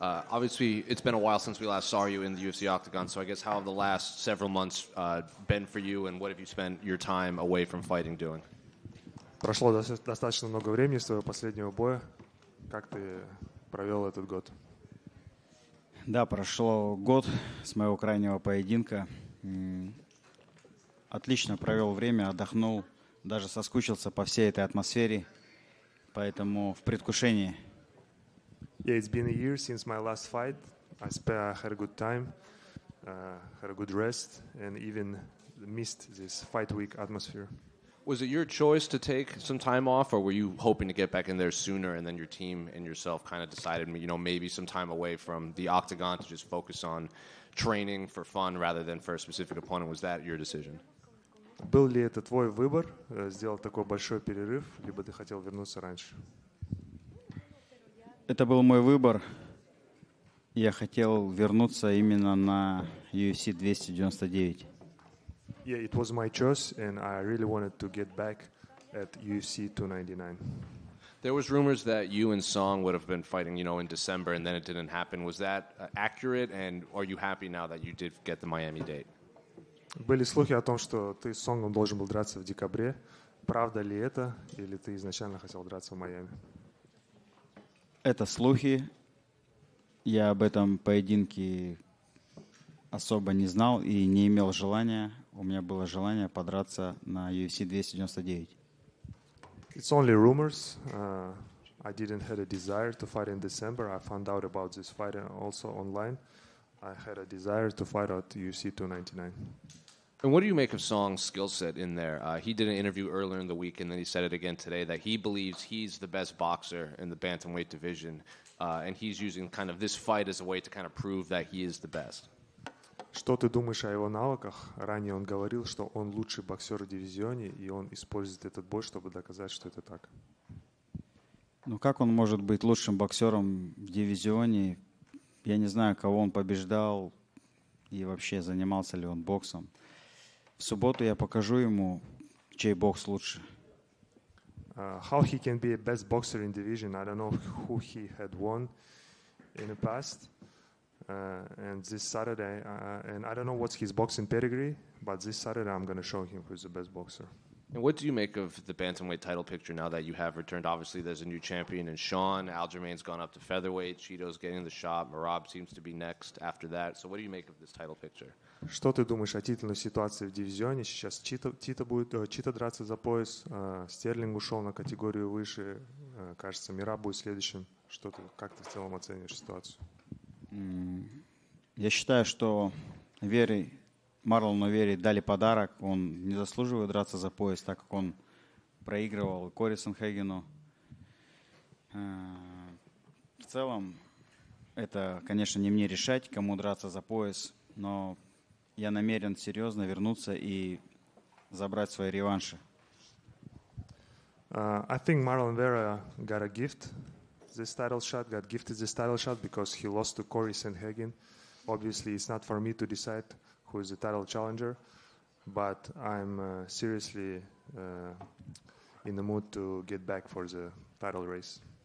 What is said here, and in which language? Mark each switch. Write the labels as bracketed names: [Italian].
[English] Obviously, it's been a while since we last saw you in the UFC Octagon, so I guess how have the last several months been for you, and what have you spent your time away from fighting doing? [Russian] Прошло достаточно много времени с твоего последнего боя. Как ты провел этот год? Да, прошло год с моего крайнего поединка. Отлично провел время, отдохнул, даже соскучился по всей этой атмосфере, поэтому в предвкушении. [English] Yeah, it's been a year since my last fight. I had a good time, had a good rest, and even missed this fight week atmosphere. Was it your choice to take some time off, or were you hoping to get back in there sooner, and then your team and yourself kind of decided, you know, maybe some time away from the octagon to just focus on training for fun rather than for a specific opponent? Was that your decision? [Russian] Был ли это твой выбор, сделать такой большой перерыв, либо ты хотел вернуться раньше? Это был мой выбор. Я хотел вернуться именно на UFC 299. [English] Yeah, it was my choice, and I really wanted to get back at UFC 299. There was rumors that you and Song would have been fighting, you know, in December, and then it didn't happen. Was that accurate, and are you happy now that you did get the Miami date? [Russian] Были слухи о том, что ты с Сонгом должен был драться в декабре. Правда ли это, или ты изначально хотел драться в Майами? Это слухи. Я об этом поединке особо не знал и не имел желания. У меня было желание подраться на UFC 299. [English] It's only rumors. I didn't have a desire to fight in December. I found out about this fight also online. I had a desire to fight at UFC 299. And what do you make of Song's skill set in there? He did an interview earlier in the week, and then he said it again today, that he believes he's the best boxer in the bantamweight division, and he's using kind of this fight as a way to kind of prove that he is the best. [Russian] Что ты думаешь о его навыках? Ранее он говорил, что он лучший боксер в дивизионе, и он использует этот бой, чтобы доказать, что это так. Ну как он может быть лучшим боксером в дивизионе? Я не знаю, кого он побеждал, и вообще занимался ли он боксом. В субботу я покажу ему, чей бокс лучше. [English] How he can be a best boxer in division? I don't know who he had won in the past. And this Saturday, and I don't know what's his boxing pedigree, but this Saturday I'm going to show him who's the best boxer. And what do you make of the bantamweight title picture now that you have returned? Obviously, there's a new champion in Sean. Aljamain's gone up to featherweight. Cheeto's getting the shot. Merab seems to be next after that. So what do you make of this title picture? [Russian] Что ты думаешь о титульной ситуации в дивизионе? Сейчас Чита будет драться за пояс. Стерлинг ушел на категорию выше. Кажется, Мира будет следующим. Как ты в целом оценишь ситуацию? Я считаю, что Марлону Вере дали подарок. Он не заслуживает драться за пояс, так как он проигрывал Кори Санхагену. В целом, это, конечно, не мне решать, кому драться за пояс, но я намерен серьезно вернуться и забрать свои реванши. [English] I think Marlon Vera got a gift this title shot, got gifted this title shot because he lost to Corey Sandhagen. Obviously, it's not for me to decide who is the title challenger, but I'm seriously in the mood to get back for the title race.